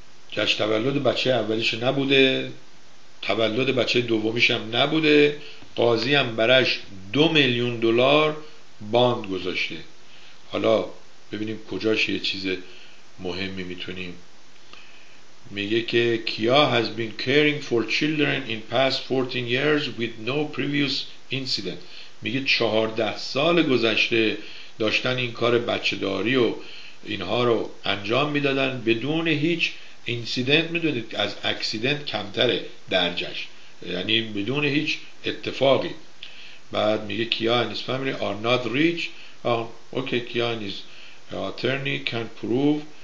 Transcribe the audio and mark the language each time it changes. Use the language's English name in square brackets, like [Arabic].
[Persian] جشن تولد بچه اولیشو نبوده، تولد بچه دومیش هم نبوده، قاضی هم براش $2,000,000 باند گذاشته. حالا ببینیم کجاش یه چیز مهمی میتونیم. میگه که [English] Kia has been caring for children in past 14 years with no previous incident. [Persian] میگه 14 سال گذشته داشتن این کار بچه داری و اینها رو انجام میدادن بدون هیچ اینسیدنت. میدونید از اکسیدنت کمتره درجش، یعنی بدون هیچ اتفاقی. بعد میگه [English] Kia and his family are not rich. Okay, Kia and his attorney can prove.